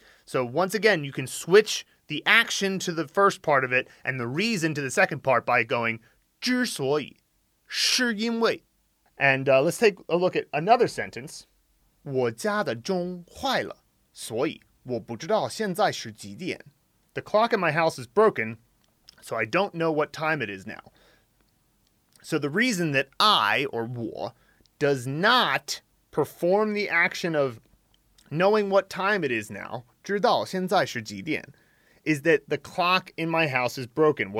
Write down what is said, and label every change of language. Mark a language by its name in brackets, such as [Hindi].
[English] So, once again, you can switch the action to the first part of it and the reason to the second part by going 之所以. [Chinese] 是因为. [English] And let's take a look at another sentence. [Chinese] 我家的钟坏了,所以我不知道现在是几点. [English] The clock in my house is broken, so I don't know what time it is now. So the reason that I, or 我, does not perform the action of knowing what time it is now, [Chinese] 知道现在是几点, [English] is that the clock in my house is broken.